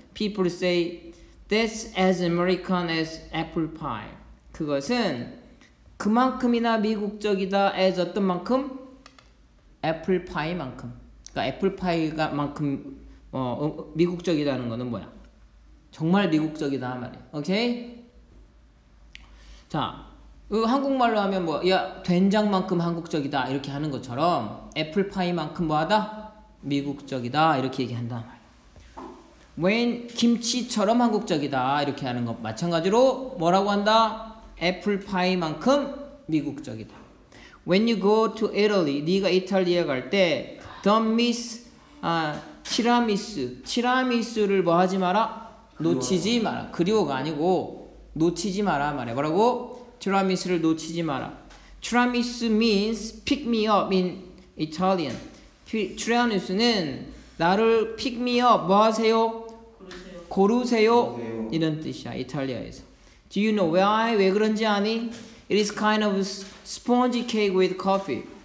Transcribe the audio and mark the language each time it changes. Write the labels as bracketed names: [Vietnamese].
[English] People say that's as American as apple pie. [Korean] 그것은 그만큼이나 미국적이다. As 어떤 만큼? Apple pie만큼. 그러니까 애플파이가 만큼 미국적이라는 거는 뭐야? 정말 미국적이다 말이야. 오케이? 자, 한국말로 하면 뭐, 야, 된장만큼 한국적이다 이렇게 하는 것처럼 애플파이만큼 뭐하다? 미국적이다 이렇게 얘기한다 말이야. When 김치처럼 한국적이다 이렇게 하는 것 마찬가지로 뭐라고 한다? 애플파이만큼 미국적이다. [English] When you go to Italy, [Korean] 네가 이탈리아 갈 때 [English] Don't miss tiramisu. [Korean] 티라미수를 뭐 하지 마라? 그리워. 놓치지 마라. 그리워가 아니고 놓치지 마라 말해. 뭐라고? 티라미수를 놓치지 마라. [English] Tiramisu means pick me up in Italian. [Korean] 티라미수는 나를 [English] pick me up [Korean] 뭐 하세요? 고르세요. 고르세요. 이런 뜻이야 이탈리아에서. [English] Do you know why? [Korean] 왜 그런지 아니? [English] It is kind of spongy cake with coffee.